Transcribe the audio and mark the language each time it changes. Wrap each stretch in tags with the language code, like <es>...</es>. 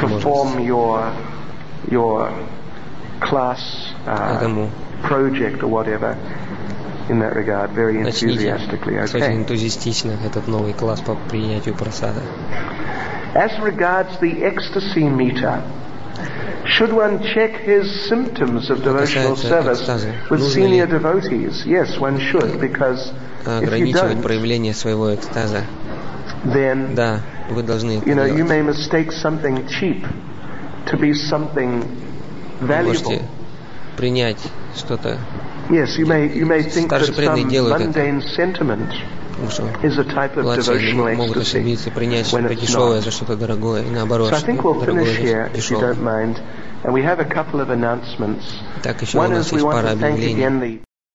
<en>perform your class project or whatever in that regard very enthusiastically. Okay.</en> <ru>Очень энтузиастично этот новый класс по принятию прасада.</ru> <en>As regards the ecstasy meter. Should one check his symptoms of devotional service with senior devotees? Yes, one should, because</en> <ru>ограничивать проявление своего экстаза.</ru> <en>Then,</en> <ru>да, вы должны.</ru> <en>You know, you may mistake something cheap to be something valuable.</en> <ru>Вы можете принять что-то.</ru> <en>Yes, you may think that some mundane sentiment. Is a type of devotional ecstasy when it's not.</en> <ru>И наоборот,</ru> <en>so I think we'll finish here, if you don't mind. And we have a couple of announcements.</en> <ru>Так,</ru> <en>one is we want to thank again the...</en>